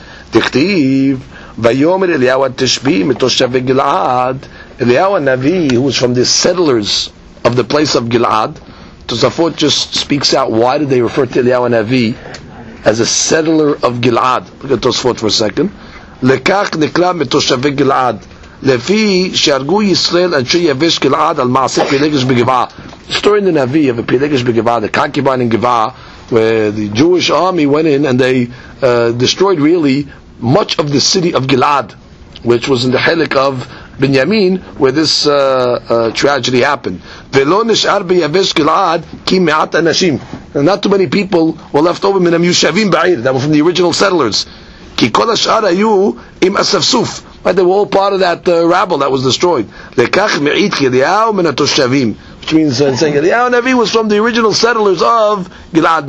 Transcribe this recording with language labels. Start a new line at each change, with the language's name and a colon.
Hebrew: Dichtiv vayomer Eliyahu Tishbi mitoshavei Gilad.
English: Eliyahu Hanavi, who was from the settlers of the place of Gilad, Tosafot just speaks out, why did they refer to Eliyahu Hanavi as a settler of Gilad? Look at Tosafot for a second.
Hebrew: לכך נקרא מתושבי גלעד לפי שהרגו ישראל אנשי יבש גלעד על מעשה פילגש בגבעה.
English: Story in the Navi of a Pilegesh בגבעה, the concubine in Gevah, where the Jewish army went in and they destroyed really much of the city of Gilad, which was in the Helik of Binyamin, where this tragedy happened.
Hebrew: ולא נשאר ביבש גלעד כי מעט אנשים.
English: Not too many people were left over
Hebrew: מן המיושבים בעיר,
English: that were from the original settlers.
Hebrew: Ki kol ha'shar hayu im asafsuf.
English: But they were all part of that rabble that was destroyed.
Hebrew: Lekach me'id ki Eliyahu min ha'toshavim.
English: Which means, saying Eliyahu Navi was from the original settlers of Gilad.